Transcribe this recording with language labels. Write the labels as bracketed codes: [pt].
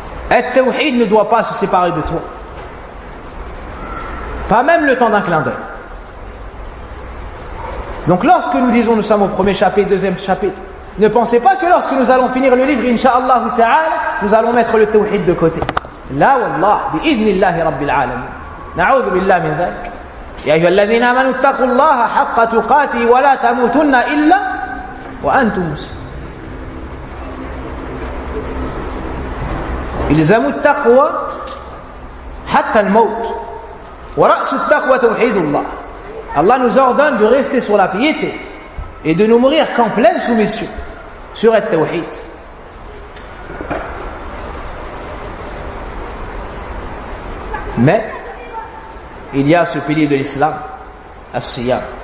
[fr] Le tawhid ne doit pas se séparer de toi. Pas même le temps d'un clin d'œil. Donc lorsque nous disons nous sommes au premier chapitre, deuxième chapitre, ne pensez pas que lorsque nous allons finir le livre, Inch'Allah ta'ala, nous allons mettre le tawhid de côté. [ar] لا والله بإذن الله رب العالمين. نعوذ بالله من ذلك. يا أيها الذين آمنوا اتقوا الله حق تقاته ولا تموتن إلا وأنتم مسلمون. إلزموا التقوى حتى الموت. ورأس التقوى توحيد الله. [fr] الله nous ordonne de rester sur la piété et de nous mourir qu'en pleine soumission sur le tawhid. Mais il y a ce pilier de l'islam, as-siyam.